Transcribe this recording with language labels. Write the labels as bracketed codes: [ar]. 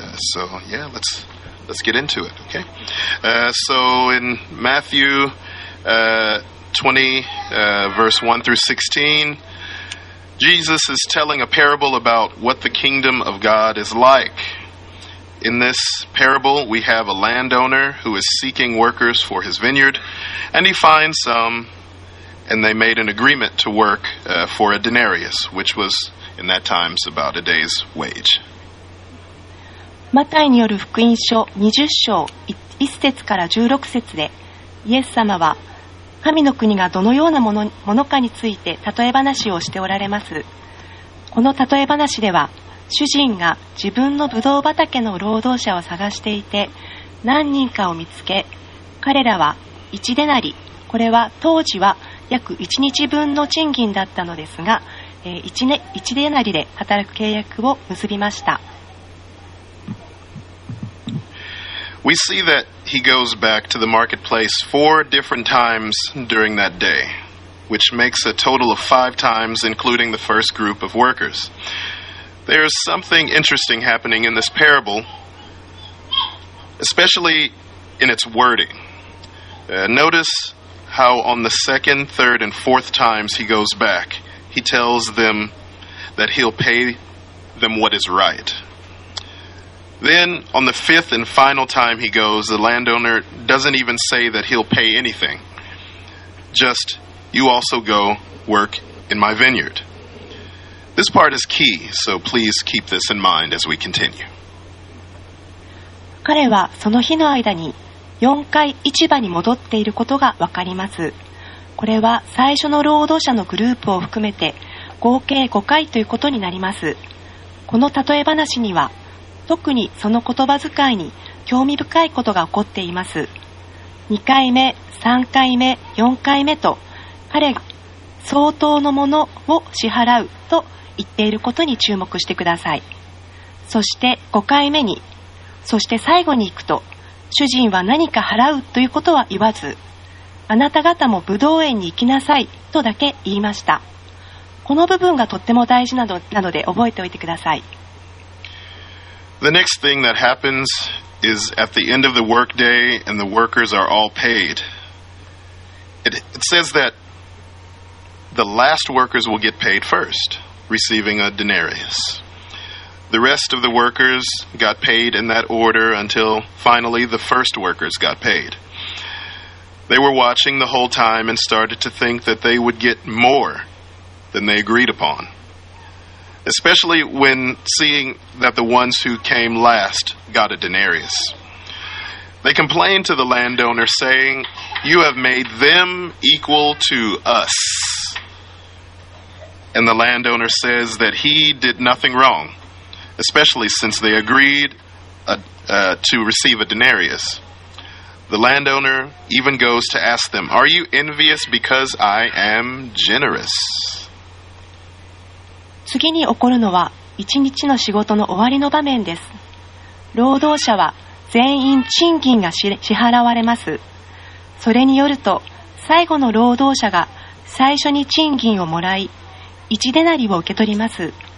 [en] So, yeah, let's get into it, okay? So in Matthew 20, verse 1 through 16, Jesus is telling a parable about what the kingdom of God is like. In this parable, we have a landowner who is seeking workers for his vineyard, and he finds some, and they made an agreement to work for a denarius, which was, in that time, about a day's wage. [ja] マタイによる福音書20章1節から16節で、イエス様は神の国がどのようなものかについて例え話をしておられます。この例え話では、主人が自分のブドウ畑の労働者を探していて、何人かを見つけ、彼らは1デナリ、これは当時は約1日分の賃金だったのですが、1デナリで働く契約を結びました。 [en] We see that he goes back to the marketplace 4 different times during that day, which makes a total of 5 times, including the first group of workers. There is something interesting happening in this parable, especially in its wording. Notice how on the second, third, and fourth times he goes back, he tells them that he'll pay them what is right. Then, on the fifth and final time he goes, the landowner doesn't even say that he'll pay anything. Just, "You also go work in my vineyard." This part is key, so please keep this in mind as we continue. [ja] 彼はその日の間に4回市場に戻っていることがわかります。これは最初の労働者のグループを含めて合計5回ということになります。この例え話には、特にその言葉遣いに興味深いことが起こっています。 2回目、3回目、4回目と彼が相当のものを支払うと言っていることに注目してください。そして5回目に、そして最後に行くと、主人は何か払うということは言わず、あなた方もブドウ園に行きなさいとだけ言いました。この部分がとっても大事なので覚えておいてください。 [en] The next thing that happens is at the end of the workday and the workers are all paid. It says that the last workers will get paid first, receiving a denarius. The rest of the workers got paid in that order until finally the first workers got paid. They were watching the whole time and started to think that they would get more than they agreed upon. Especially when seeing that the ones who came last got a denarius. They complained to the landowner saying, "You have made them equal to us." And the landowner says that he did nothing wrong especially since they agreed to receive a denarius. The landowner even goes to ask them, "Are you envious because I am generous?" [ja] 次に起こるのは一日の仕事の終わりの場面です。労働者は全員賃金が支払われます。それによると、最後の労働者が最初に賃金をもらい、一デナリを受け取ります。